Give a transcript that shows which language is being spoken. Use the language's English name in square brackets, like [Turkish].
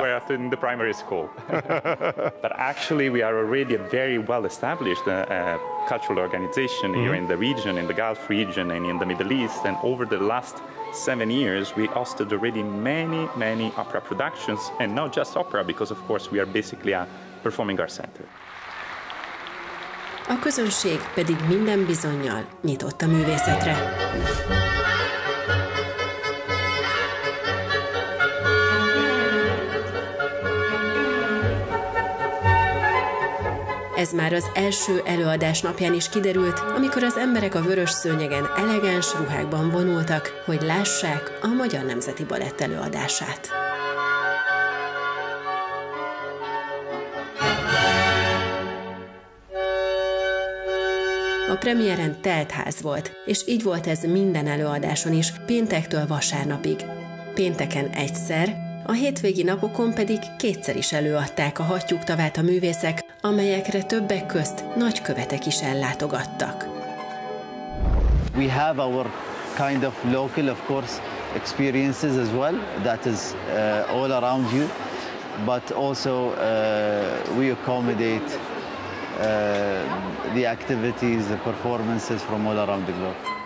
[English] We're in the primary school. But actually, we are already a very well-established cultural organization mm-hmm. here in the region, in the Gulf region and in the Middle East. And over the last 7 years, we hosted already many, many opera productions, and not just opera, because, of course, we are basically a performing arts center. [Hungarian] A közönség pedig minden bizonnyal nyitott a művészetre. Ez már az első előadás napján is kiderült, amikor az emberek a vörös szőnyegen elegáns ruhákban vonultak, hogy lássák a Magyar Nemzeti Balett előadását. A premiéren teltház volt, és így volt ez minden előadáson is, péntektől vasárnapig. Pénteken egyszer, a hétvégi napokon pedig kétszer is előadták a Hattyúktavát a művészek, amelyekre többek közt nagykövetek is ellátogattak. [English] We have our kind of local, of course, experiences as well, that is all around you, but also we accommodate the activities, the performances from all around the globe.